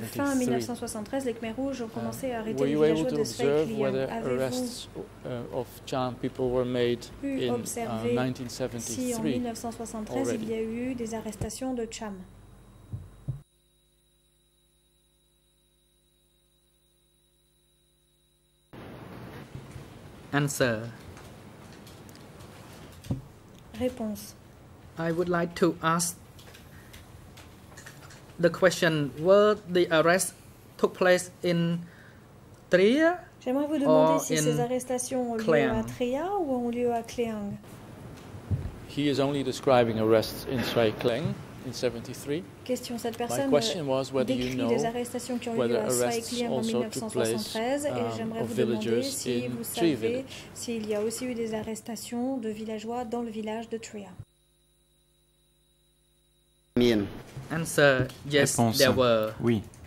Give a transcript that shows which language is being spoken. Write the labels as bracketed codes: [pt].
[fr] Que fin 1973, les Khmer Rouges ont commencé à arrêter [en] were [fr] les villageois de Svay Kling. [en] Observe whether arrests of Cham people were made in 1973? [fr] Si en 1973 il y a eu des arrestations de Cham. [en] Answer. [fr] Réponse. [en] I would like to ask the question: were the arrests took place in Tria? [fr] J'aimerais vous demander si ces arrestations ont lieu à Tria ou ont lieu à Kliang. [en] He is only describing arrests in Svay Kling. In 73. [fr] Question, cette personne [en] my question was whether you know whether arrests [fr] en [en] also took place of villagers in Tree Village. [fr] S'il y a aussi eu des arrestations de villageois dans le village de Tria. [en] Answer, yes, [fr] réponse, [en] there were. [fr] Oui.